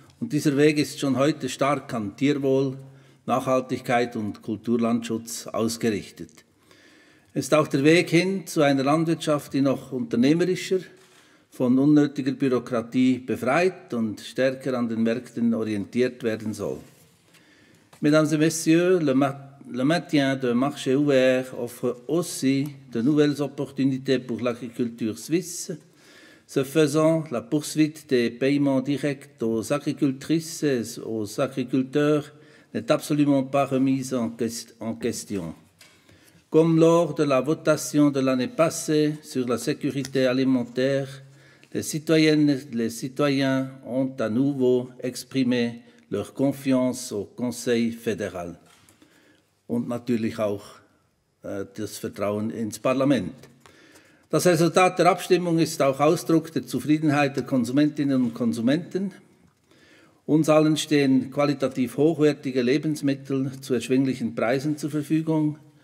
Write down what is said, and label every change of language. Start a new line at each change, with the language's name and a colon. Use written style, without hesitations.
German: Und dieser Weg ist schon heute stark an Tierwohl, Nachhaltigkeit und Kulturlandschutz ausgerichtet. Es ist auch der Weg hin zu einer Landwirtschaft, die noch unternehmerischer, von unnötiger Bürokratie befreit und stärker an den Märkten orientiert werden soll.
French: Mesdames et Messieurs, le maintien d'un marché ouvert offre aussi de nouvelles opportunités pour l'agriculture suisse. Ce faisant, la poursuite des paiements directs aux agricultrices et aux agriculteurs n'est absolument pas remise en question. Comme lors de la votation de l'année passée sur la sécurité alimentaire, les citoyennes et les citoyens ont à nouveau exprimé leur confiance au Conseil fédéral.
German: Und natürlich auch das Vertrauen ins Parlament. Das Resultat der Abstimmung ist auch Ausdruck der Zufriedenheit der Konsumentinnen und Konsumenten. Uns allen stehen qualitativ hochwertige Lebensmittel zu erschwinglichen Preisen zur Verfügung.